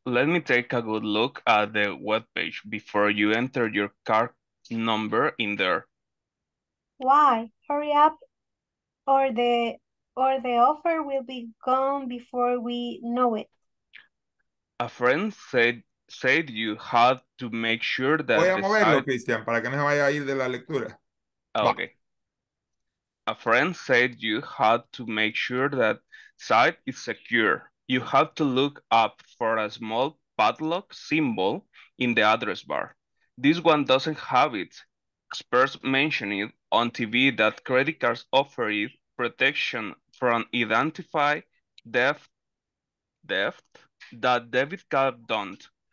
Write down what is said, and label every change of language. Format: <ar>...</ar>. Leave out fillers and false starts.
<en>Let me take a good look at the webpage before you enter your card number in there. Why? Hurry up, or the offer will be gone before we know it. A friend said you had to make sure that...</en> <es>Voy a moverlo, Cristian, para que no se vaya a ir de la lectura.</es> <en>Okay. A friend said you had to make sure that site is secure. You have to look up for a small padlock symbol in the address bar. This one doesn't have it. Experts mention it on TV that credit cards offer it protection from identified theft that debit card don't.</en>